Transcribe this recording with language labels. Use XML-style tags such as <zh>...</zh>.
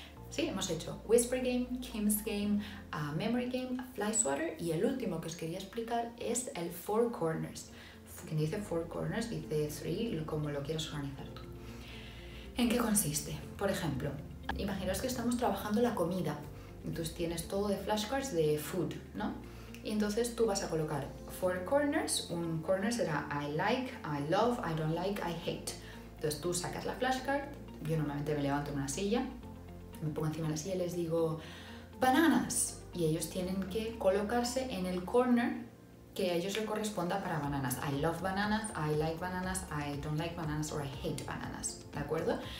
<es>Sí, hemos hecho Whisper Game, Kim's Game, Memory Game, Fly Swatter y el último que os quería explicar es el Four Corners. Quien dice Four Corners dice Three, como lo quieras organizar tú. ¿En qué consiste? Por ejemplo, imaginaos que estamos trabajando la comida. Entonces tienes todo de flashcards de food, ¿no? Y entonces tú vas a colocar Four Corners. Un corner será</es> <en>I like, I love, I don't like, I hate.</en> <es>Entonces tú sacas la flashcard, yo normalmente me levanto en una silla, me pongo encima de la silla y les digo bananas y ellos tienen que colocarse en el corner que a ellos le corresponda para bananas.</es> <en>I love bananas, I like bananas, I don't like bananas or I hate bananas,</en> <es>¿de acuerdo?</es>